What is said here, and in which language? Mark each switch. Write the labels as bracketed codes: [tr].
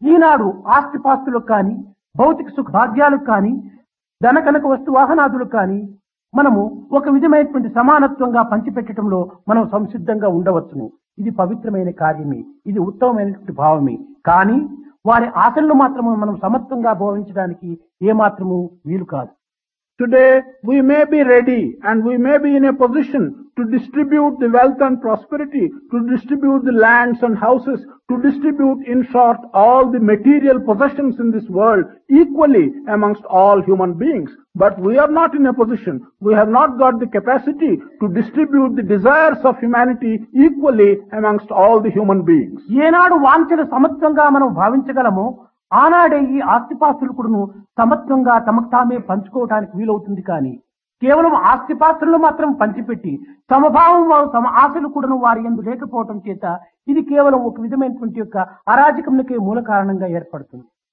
[te] ఈనాడు ఆస్తిపాస్తులకు కానీ, భౌతిక సుఖభాగ్యాలకు కానీ, ధన కనక వస్తు వాహనాదులకు కానీ మనము ఒక విధమైనటువంటి సమానత్వంగా పంచిపెట్టడంలో మనం సంసిద్ధంగా ఉండవచ్చును. ఇది పవిత్రమైన కార్యమే, ఇది ఉత్తమమైనటువంటి భావమే. కానీ వారి ఆశలను మాత్రము మనం సమత్వంగా భావించడానికి ఏమాత్రము వీలు కాదు. [en] Today, we may be ready and we may be in a position to distribute the wealth and prosperity, to distribute the lands and houses, to distribute, in short, all the material possessions in this world equally amongst all human beings. But we are not in a position, we have not got the capacity to distribute the desires of humanity equally amongst all the human beings. [te] Yenadu vanchana samatvanga manam bhavinchagalamo. ఆనాడే ఈ ఆస్తిపాస్తులు కూడాను సమత్వంగా తమకు తామే పంచుకోవటానికి వీలవుతుంది. కానీ కేవలం ఆస్తిపాస్తులను మాత్రం పంచిపెట్టి సమభావం వారు తమ ఆశలు కూడాను వారి ఎందు లేకపోవటం చేత ఇది కేవలం ఒక విధమైనటువంటి యొక్క అరాజకములకే మూల కారణంగా ఏర్పడుతుంది.